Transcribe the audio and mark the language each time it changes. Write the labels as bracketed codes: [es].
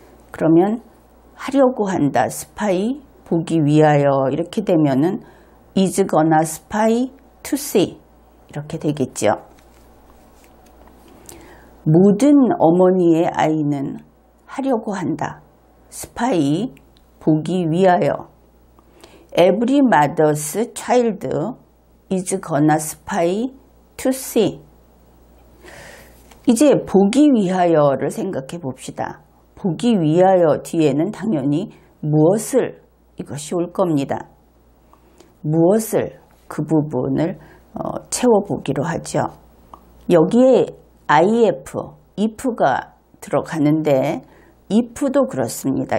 [ko] 그러면 하려고 한다, 스파이, 보기 위하여 이렇게 되면은 [en] is gonna spy to see [ko] 이렇게 되겠지요. 모든 어머니의 아이는 하려고 한다. 스파이 보기 위하여 [en] Every mother's child is gonna spy to see. [ko] 이제 보기 위하여를 생각해 봅시다. 보기 위하여 뒤에는 당연히 무엇을 이것이 올 겁니다. 무엇을 그 부분을 채워 보기로 하죠. 여기에 if가 들어가는데 if도 그렇습니다.